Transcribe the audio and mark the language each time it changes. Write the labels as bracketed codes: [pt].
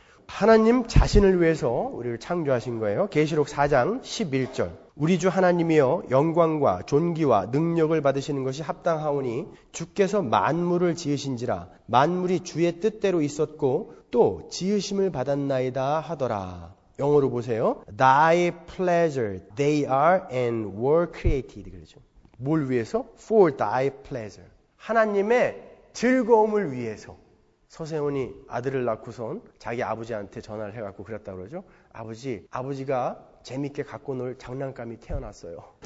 [ko] 하나님 자신을 위해서 우리를 창조하신 거예요. 계시록 4장 11절. 우리 주 하나님이여 영광과 존귀와 능력을 받으시는 것이 합당하오니 주께서 만물을 지으신지라 만물이 주의 뜻대로 있었고 또 지으심을 받았나이다 하더라. 영어로 보세요. [en] Thy pleasure, they are and were created. [ko] 그렇죠. 뭘 위해서? [en] For thy pleasure. [ko] 하나님의 즐거움을 위해서. 서세훈이 아들을 낳고선 자기 아버지한테 전화를 해갖고 그랬다고 그러죠. 아버지, 아버지가 재밌게 갖고 놀 장난감이 태어났어요.